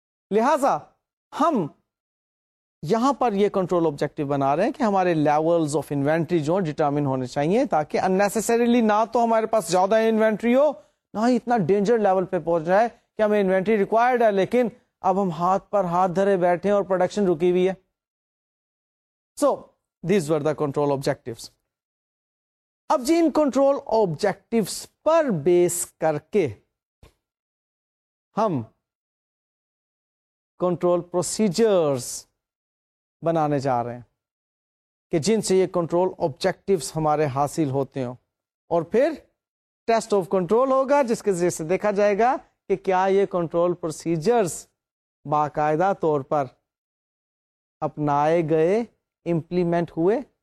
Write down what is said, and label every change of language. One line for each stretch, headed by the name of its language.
Urdu: لہذا ہم یہاں پر یہ کنٹرول آبجیکٹو بنا رہے ہیں کہ ہمارے لیولز آف انوینٹری جو ڈیٹرمن ہونے چاہیے تاکہ انیسسریلی نہ تو ہمارے پاس زیادہ انوینٹری ہو، نہ ہی اتنا ڈینجر لیول پہ پہنچ رہا ہے کہ ہمیں انوینٹری ریکوائرڈ ہے لیکن اب ہم ہاتھ پر ہاتھ دھرے بیٹھے ہیں اور پروڈکشن رکی ہوئی ہے.
English: So these were the control objectives.
Urdu: اب جی ان کنٹرول آبجیکٹیوز پر بیس کر کے ہم کنٹرول پروسیجرز بنانے جا رہے ہیں کہ جن سے یہ کنٹرول آبجیکٹیوز ہمارے حاصل ہوتے ہوں، اور پھر ٹیسٹ آف کنٹرول ہوگا جس کے ذریعے سے دیکھا جائے گا کہ کیا یہ کنٹرول پروسیجرز باقاعدہ طور پر اپنائے گئے، امپلیمنٹ ہوئے.